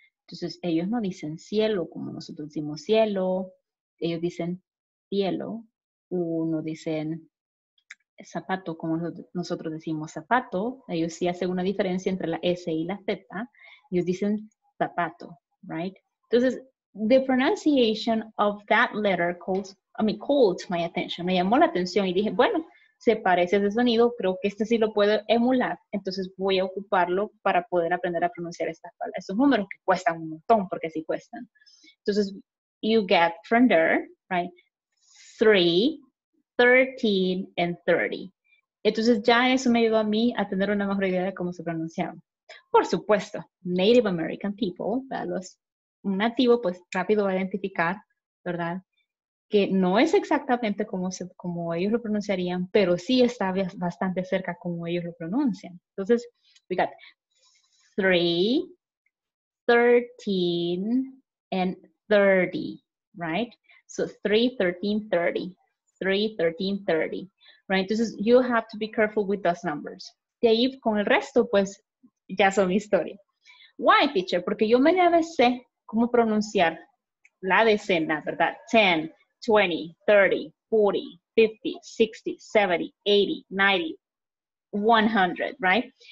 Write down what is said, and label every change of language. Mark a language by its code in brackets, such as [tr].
[es] Entonces ellos no dicen cielo como nosotros decimos cielo, ellos dicen cielo, uno dicen zapato como nosotros decimos zapato, ellos sí hacen una diferencia entre la S y la Z, ellos dicen zapato, right? [en] Entonces, the pronunciation of that letter called my attention. [es] Me llamó la atención y dije, bueno, se parece ese sonido, creo que este sí lo puedo emular. Entonces voy a ocuparlo para poder aprender a pronunciar estas palabras, esos números que cuestan un montón, porque sí cuestan. [en] Entonces, you get from there, right? 3, 13, and 30. [es] Entonces ya eso me ayudó a mí a tener una mejor idea de cómo se pronunciaba. Por supuesto, [en] Native American people, [es] ¿verdad? Los nativos, pues rápido va a identificar, ¿verdad? Que no es exactamente como ellos lo pronunciarían, pero sí está bastante cerca como ellos lo pronuncian. [en] Entonces, we got 3, 13, and 30, right? So 3, 13, 30, 3, 13, 30, right? Entonces, you have to be careful with those numbers. [es] De ahí, con el resto, pues, ya son historia. [en] Why, teacher? [es] Porque yo media vez sé cómo pronunciar la decena, ¿verdad? 10. [en] 20, 30, 40, 50, 60, 70, 80, 90, 100, right?